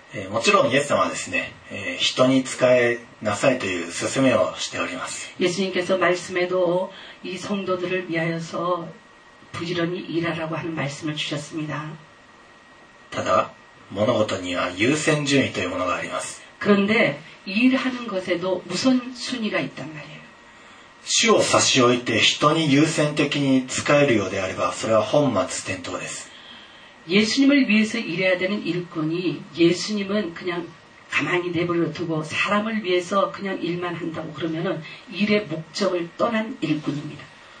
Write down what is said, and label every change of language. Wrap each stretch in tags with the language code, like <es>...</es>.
<ja>もちろんイエス様はですね人に仕えなさいという勧めをしております</ja> <ko>예수님께서말씀에도이성도들을위하여서부지런히일하라고하는말씀을주셨습니다</ko> <ja>ただ物事には優先順位というものがあります</ja> <ko>그런데일하는것에도우선순위가있단말이에요</ko> <ja>主を差し置いて人に優先的に使えるようであればそれは本末転倒です</ja> <ko>예수님을위해서일해야되는일꾼이예수님은그냥가만히내버려두고사람을위해서그냥일만한다고그러면은일의목적을떠난일꾼입니다</ko>